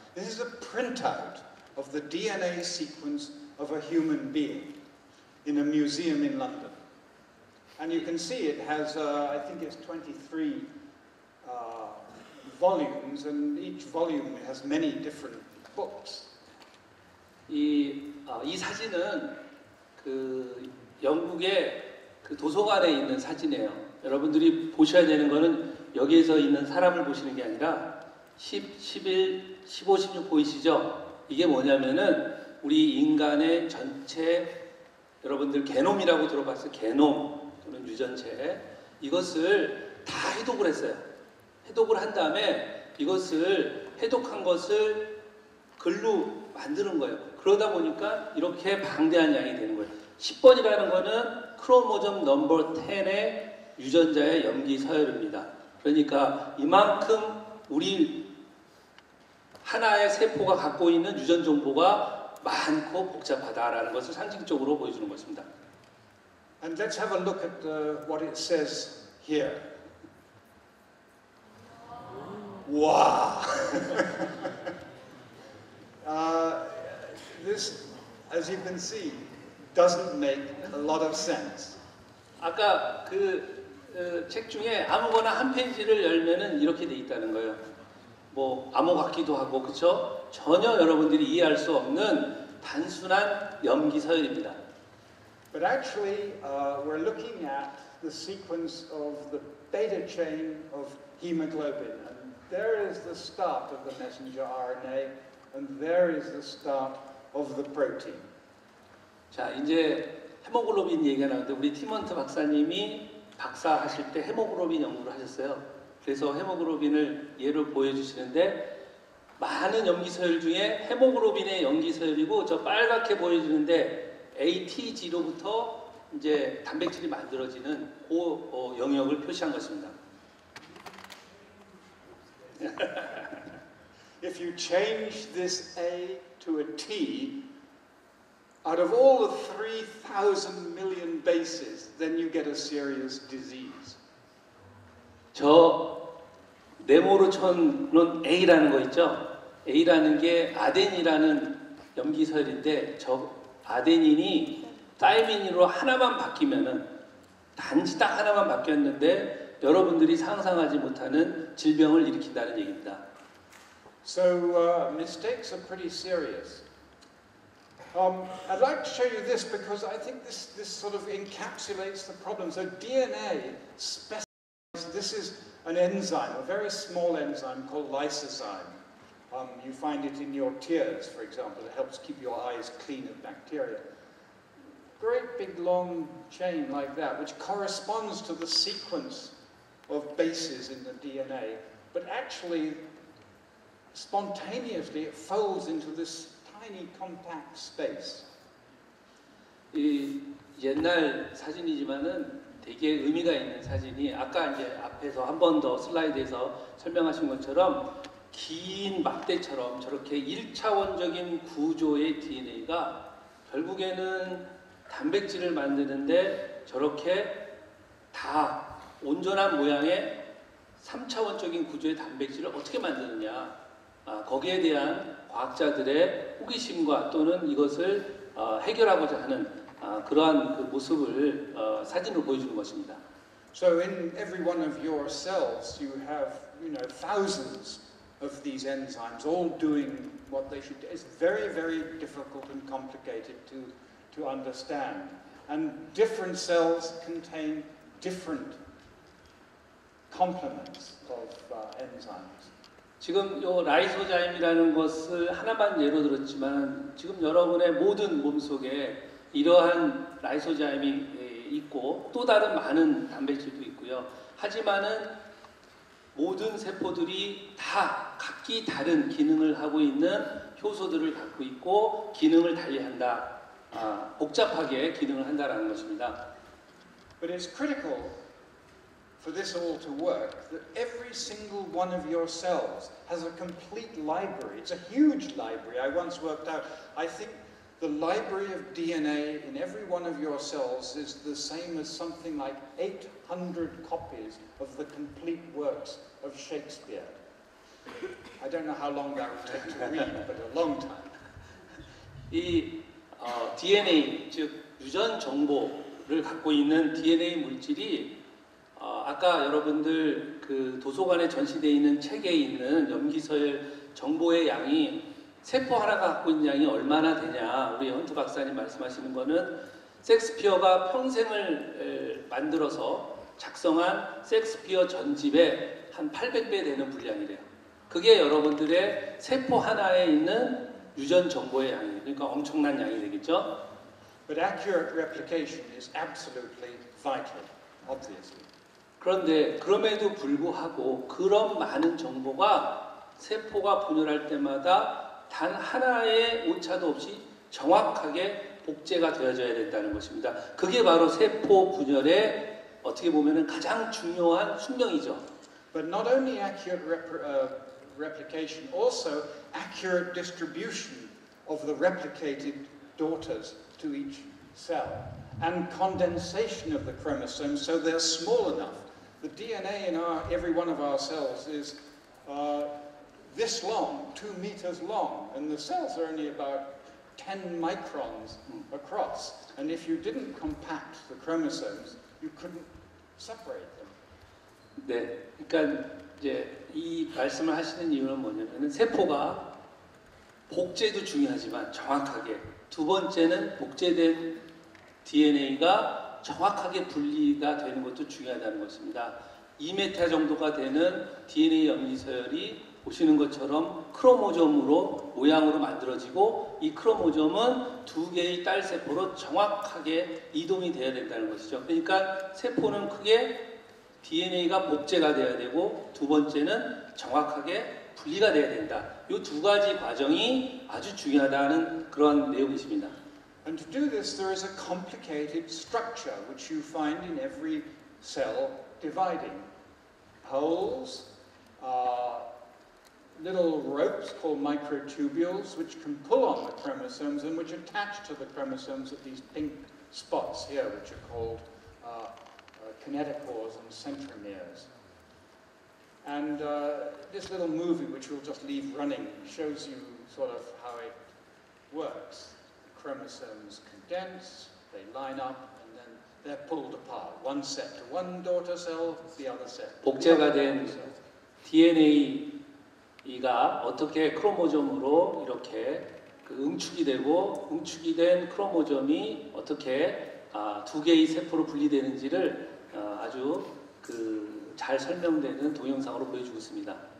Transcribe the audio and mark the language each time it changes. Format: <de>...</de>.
<en>This is a printout of the DNA sequence of a human being in a museum in London. And you can see it has, I think it's 23 volumes, and each volume has many different books.</en> <ko>이 사진은 그 영국의 그 도서관에 있는 사진이에요. 여러분들이 보셔야 되는 거는 여기에서 있는 사람을 보시는 게 아니라 10, 11, 15, 16 보이시죠? 이게 뭐냐면은 우리 인간의 전체, 여러분들 게놈이라고 들어봤어요. 게놈 또는 유전체. 이것을 다 해독을 했어요. 해독을 한 다음에 이것을 해독한 것을 글로 만드는 거예요. 그러다 보니까 이렇게 방대한 양이 되는 거예요. 10번이라는 거는 크로모점 넘버 10의 유전자의 염기 서열입니다. 그러니까 이만큼 우리 하나의 세포가 갖고 있는 유전 정보가 많고 복잡하다라는 것을 상징적으로 보여주는 것입니다.</ko> <en>And let's have a look at what it says here. Wow! This, as you can see, doesn't make a lot of sense.</en> <ko>아까 그 책 중에 아무거나 한 페이지를 열면은 이렇게 돼 있다는 거예요. 뭐 암호 같기도 하고 그렇죠? 전혀 여러분들이 이해할 수 없는 단순한 염기 서열입니다.</ko> <en>But actually we're looking at the sequence of the beta chain of hemoglobin. And there is the start of the messenger RNA and there is the start of the protein.</en> <ko>자, 이제 헤모글로빈 얘기가 나왔는데 우리 티먼트 박사님이 박사 하실 때 헤모글로빈 연구를 하셨어요. 그래서 헤모글로빈을 예로 보여주시는데 많은 염기 서열 중에 헤모글로빈의 염기 서열이고 저 빨갛게 보여주는데 ATG로부터 이제 단백질이 만들어지는 그 영역을 표시한 것입니다.</ko> <en>If you change this A to a T, out of all the 3,000 million bases, then you get a serious disease.</en> <ko>저 네모로 쳐놓은 A라는 거 있죠? A라는 게 아덴이라는 염기서열인데 저 아데닌이 타이민으로 하나만 바뀌면은 단지 딱 하나만 바뀌었는데 여러분들이 상상하지 못하는 질병을 일으킨다는 얘기입니다.</ko> <en>So mistakes are pretty serious. I'd like to show you this because I think this sort of encapsulates the problem. So DNA specifies. This is an enzyme, a very small enzyme called lysozyme. You find it in your tears, for example. It helps keep your eyes clean of bacteria. Great big long chain like that, which corresponds to the sequence of bases in the DNA, but actually spontaneously it folds into this tiny compact space.</en> <ko>이 옛날 사진이지만은 되게 의미가 있는 사진이 아까 이제 앞에서 한 번 더 슬라이드에서 설명하신 것처럼 긴 막대처럼 저렇게 1차원적인 구조의 DNA가 결국에는 단백질을 만드는데 저렇게 다 온전한 모양의 3차원적인 구조의 단백질을 어떻게 만드느냐 거기에 대한 과학자들의 호기심과 또는 이것을 해결하고자 하는 그러한 그 모습을 사진으로 보여주는 것입니다.</ko> <en>So in every one of your cells you have, you know, thousands of these enzymes all doing what they should do. It's very, very difficult and complicated to understand. And different cells contain different complements of enzymes.</en> <ko>지금 요 라이소자임이라는 것을 하나만 예로 들었지만 지금 여러분의 모든 몸 속에 이러한 라이소자임이 있고 또 다른 많은 단백질도 있고요. 하지만은 모든 세포들이 다 각기 다른 기능을 하고 있는 효소들을 갖고 있고 기능을 달리한다. 복잡하게 기능을 한다라는 것입니다.</ko> <en>But it's critical for this all to work that every single one of your cells has a complete library. It's a huge library. I once worked out. I think the library of DNA in every one of your cells is the same as something like 800 copies of the complete works of Shakespeare. I don't know how long that would take to read, but a long time.</en> <ko>이 DNA, 즉 유전 정보를 갖고 있는 DNA 물질이 아까 여러분들 그 도서관에 전시되어 있는 책에 있는 염기서열 정보의 양이 세포 하나가 갖고 있는 양이 얼마나 되냐 우리 헌트 박사님 말씀하시는 거는 셰익스피어가 평생을 만들어서 작성한 셰익스피어 전집의 한 800배 되는 분량이래요. 그게 여러분들의 세포 하나에 있는 유전 정보의 양이에요. 그러니까 엄청난 양이 되겠죠.</ko> <en>But accurate replication is absolutely vital, obviously.</en> <ko>그런데 그럼에도 불구하고 그런 많은 정보가 세포가 분열할 때마다 단 하나의 오차도 없이 정확하게 복제가 되어져야 된다는 것입니다. 그게 바로 세포 분열의 어떻게 보면은 가장 중요한 숙명이죠.</ko> <en>But not only accurate replication, also accurate distribution of the replicated daughters to each cell and condensation of the chromosomes so they're small enough. The DNA in every one of our cells is this long, 2 meters long, and the cells are only about 10 microns across. And if you didn't compact the chromosomes, you couldn't separate them.</en> <ko>네, 그러니까 이제 이 말씀을 하시는 이유는 뭐냐면은 세포가 복제도 중요하지만 정확하게 두 번째는 복제된 DNA가 정확하게 분리가 되는 것도 중요하다는 것입니다. 2m 정도가 되는 DNA 염리서열이 보시는 것처럼 크로모점으로 모양으로 만들어지고 이 크로모점은 두 개의 딸 세포로 정확하게 이동이 되어야 된다는 것이죠. 그러니까 세포는 크게 DNA가 복제가 되어야 되고 두 번째는 정확하게 분리가 되어야 된다. 이 두 가지 과정이 아주 중요하다는 그런 내용이십니다.</ko> <en>And to do this, there is a complicated structure which you find in every cell dividing. Poles are little ropes called microtubules which can pull on the chromosomes and which attach to the chromosomes at these pink spots here which are called kinetochores and centromeres. And this little movie which we'll just leave running shows you sort of how it works. Chromosomes condense, they line up, and then they're pulled apart. One set to one daughter cell, the other set.</en> <ko>복제가 된 DNA가 어떻게 크로모점으로 이렇게 그 응축이 되고 응축이 된 크로모점이 어떻게 두 개의 세포로 분리되는지를 아주 그 잘 설명되는 동영상으로 보여주고 있습니다.</ko>